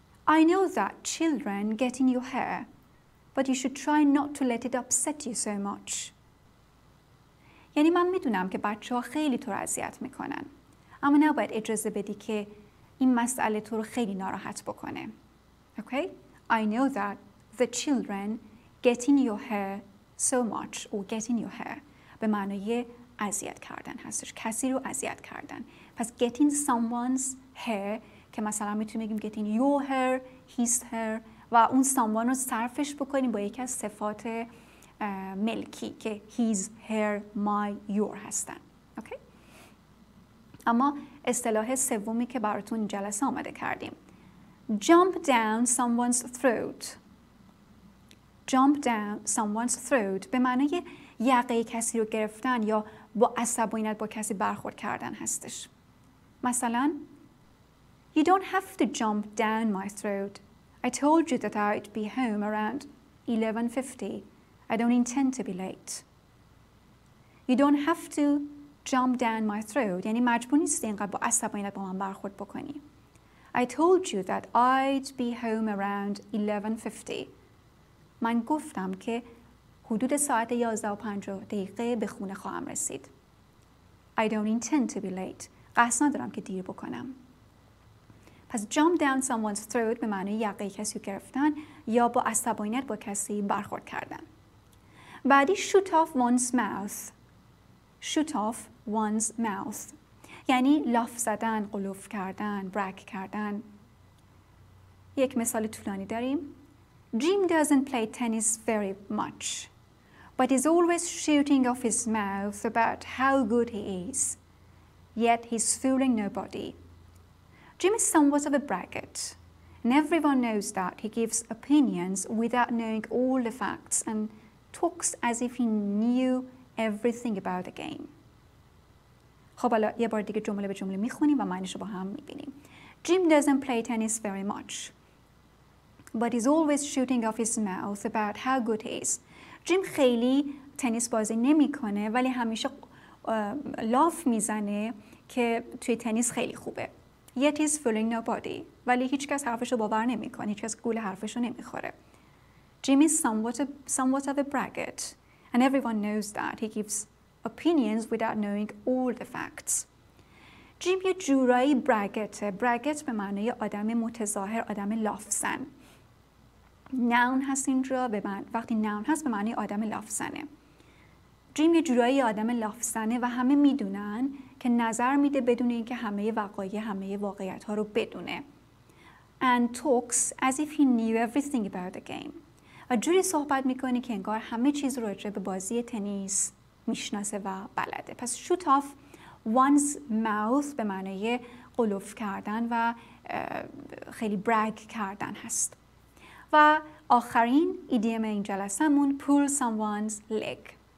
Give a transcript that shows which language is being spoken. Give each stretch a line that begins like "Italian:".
English: I know that children getting your hair but you should try not to let it upset you so much.
Persian: یعنی من میدونم که بچه ها خیلی تو رو اذیت میکنن، اما نباید اجازه بدی که این مسئله تو رو خیلی ناراحت بکنه.
English: Okay? I know that the children get in your hair so much or get in your hair
Persian: به معنی اذیت کردن
English: هستش، کسی رو اذیت کردن.
Persian: پس
English: get in someone's hair
Persian: که مثلا میتونیم بگیم
English: get in your hair, his hair
Persian: و اون someone رو صرفش بکنیم با یکی از صفات ملکی که
English: his, her, my, your
Persian: هستن.
English: Okay?
Persian: اما اصطلاح سومی که براتون جلسه آماده کردیم،
English: jump down someone's throat. Jump down someone's throat
Persian: به معنی یقه کسی رو گرفتن یا با عصبانیت با کسی برخورد کردن هستش.
English: مثلا you don't have to jump down my throat. I told you that I'd be home around 11:50. I don't intend to be late. You don't have to jump down my throat.
Persian: یعنی مجبور نیستی اینقدر با عصبانیت با من برخورد بکنی.
English: I told you that I'd be home around 11:50.
Persian: من گفتم که حدود ساعت 11:50 به خونه خواهم رسید.
English: I don't intend to be late.
Persian: قصد ندارم که دیر بکنم. پس
English: jump down someone's throat
Persian: به معنی یقه کسی رو گرفتن یا با عصبانیت با کسی برخورد کردن. بعدی
English: shoot off one's mouth.
Persian: Shoot off one's mouth یعنی لاف زدن، قلوف کردن، برک کردن. یک مثال طولانی داریم.
English: Jim doesn't play tennis very much, but is always shooting off his mouth about how good he is. Yet he's fooling nobody. Jim is somewhat of a braggart, and everyone knows that he gives opinions without knowing all the facts and talks as if he knew everything about the game.
Persian: خب حالا یه بار دیگه جمله به جمله میخونیم و معنیش رو با هم میبینیم.
English: Jim doesn't play tennis very much, but he's always shooting off his mouth about how good he is.
Persian: Jim خیلی تنیس بازی نمیکنه ولی همیشه لاف میزنه که توی تنیس خیلی خوبه.
English: Yet he's fooling nobody.
Persian: ولی هیچ کس حرفش رو باور نمیکنه. هیچ کس گول حرفش رو نمیخوره.
English: Jim is somewhat of a braggart, and everyone knows that. He gives opinions without knowing all the facts.
Persian: Jim یه جورایی braggarte. Braggart به معنی آدم متظاهر، آدم لافزن. Noun هست اینجا، وقتی noun هست به معنی آدم لافزنه. جیم یه جورایی آدم لافزنه و همه میدونن که نظر میده بدون اینکه همه وقایع، همه واقعیت ها رو بدونه.
English: And talks as if he knew everything about the game.
Persian: و جوری صحبت میکنه که انگار همه چیز رو راجع به بازی تنیس میشناسه و بلده. پس
English: shoot off one's mouth
Persian: به معنی قلوف کردن و خیلی brag کردن هست. و آخرین ایدیم این جلسه‌مون
English: pull someone's leg.